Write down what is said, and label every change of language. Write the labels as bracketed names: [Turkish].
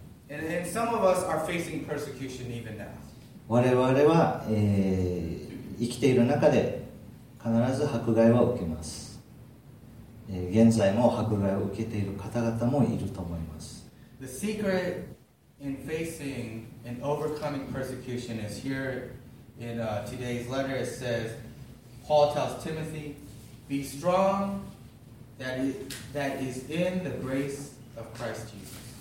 [English] And some of us are facing persecution even now. [Japanese] 我々は、生きている中で必ず迫害は受けます。現在も迫害を受けている方々もいると思います。 [English] The secret in facing and overcoming persecution is here in today's letter. It says, Paul tells Timothy, be strong that is in the grace of Christ Jesus.